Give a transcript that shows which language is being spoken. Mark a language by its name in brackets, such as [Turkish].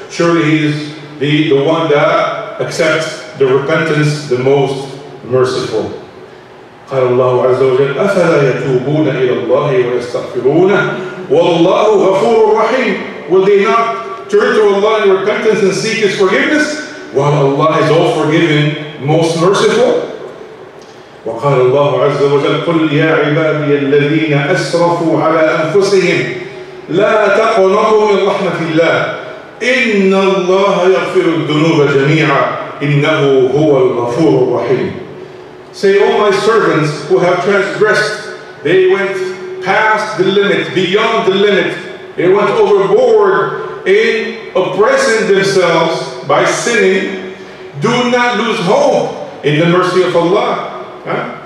[English] Surely he is the one that accepts the repentance, the most merciful. [Arabic] قَالَ اللَّهُ عَزَّ وَجَلَّ أَفَلَا يَتُوبُونَ إِلَى اللَّهِ وَيَسْتَغْفِرُونَ وَاللَّهُ غَفُورٌ رَحِيمٌ [English] Will they not turn to Allah in repentance and seek His forgiveness? While Allah is all forgiving, most merciful. [Arabic] وقال الله عز وجل قل يا عبادي الذين أسرفوا على أنفسهم لا تقنطوا من رحمة الله إن الله يغفر الذنوب جميعا إنه هو الغفور الرحيم. [English] Say, all my servants who have transgressed, they went past the limit, beyond the limit. They went overboard in oppressing themselves by sinning. Do not lose hope in the mercy of Allah. Huh?